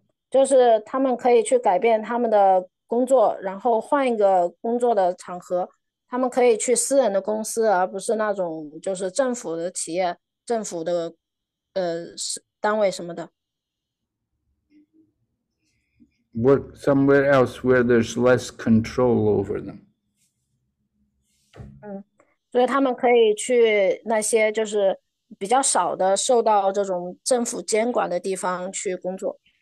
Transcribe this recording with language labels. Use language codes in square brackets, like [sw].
[zh] 就是他们可以去改变他们的工作，然后换一个工作的场合。他们可以去私人的公司，而不是那种就是政府的企业、政府的单位什么的。 [en] Work somewhere else where there's less control over them. [zh] 所以他们可以去那些就是比较少的受到这种政府监管的地方去工作。